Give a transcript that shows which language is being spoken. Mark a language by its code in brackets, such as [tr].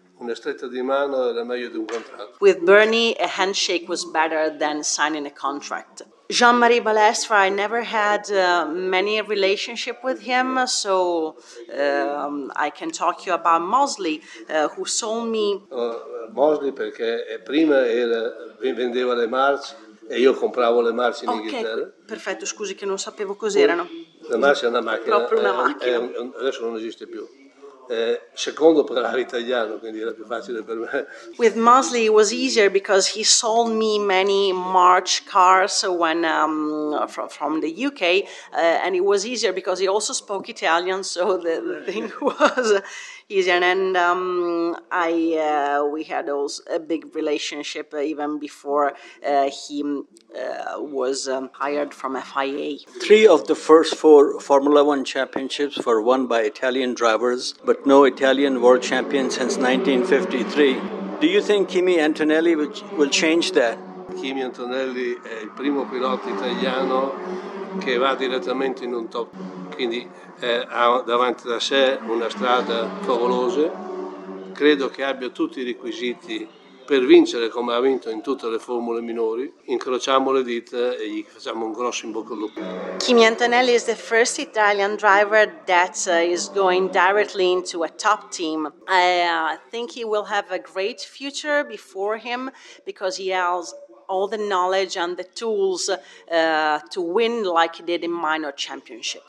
[it] Una stretta di mano era meglio di un contratto. [en] With Bernie, a handshake was better than signing a contract. Jean-Marie Balestre, I never had many relationship with him, so I can talk you about Mosley, who sold me. [it] Mosley, perché prima era vendeva le marce e io compravo le marce in Inghilterra. Ok, perfetto, scusi che non sapevo cos'erano. La marce è una macchina. Proprio una macchina. Adesso non esiste più. Secondo parlava italiano, quindi era più facile per me. [en] With Mosley it was easier because he sold me many March cars when from the UK, and it was easier because he also spoke Italian, so the thing was easier. And we had also a big relationship even before he was hired from FIA. Three of the first four Formula One championships were won by Italian drivers, but no Italian world champion since 1953. Do you think Kimi Antonelli will change that? [it] Kimi Antonelli è il primo pilota italiano che va direttamente in un top, quindi ha davanti da sé una strada favolosa. Credo che abbia tutti i requisiti per vincere come ha vinto in tutte le formule minori. Incrociamo le dita e gli facciamo un grosso in bocca al lupo. [en] Kimi Antonelli is the first Italian driver that is going directly into a top team. I think he will have a great future before him because he has all the knowledge and the tools to win like he did in minor championship.